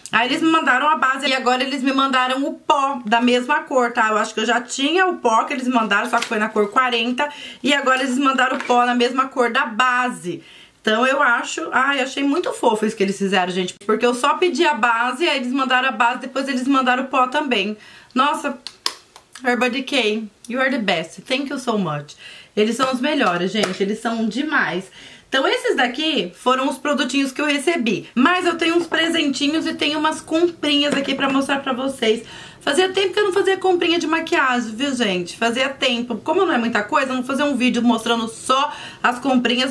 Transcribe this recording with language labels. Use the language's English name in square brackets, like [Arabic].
[Portuguese] Aí eles me mandaram a base e agora eles me mandaram o pó da mesma cor, tá? Eu acho que eu já tinha o pó que eles mandaram, só que foi na cor 40. E agora eles mandaram o pó na mesma cor da base. Então eu acho... Ai, achei muito fofo isso que eles fizeram, gente. Porque eu só pedi a base, aí eles mandaram a base, depois eles mandaram o pó também. [English] Nossa, Urban Decay, you are the best. Thank you so much. [Portuguese] Eles são os melhores, gente. Eles são demais. Então esses daqui foram os produtinhos que eu recebi. Mas eu tenho uns presentinhos e tenho umas comprinhas aqui pra mostrar pra vocês. Fazia tempo que eu não fazia comprinha de maquiagem, viu, gente? Fazia tempo. Como não é muita coisa, eu vou fazer um vídeo mostrando só as comprinhas.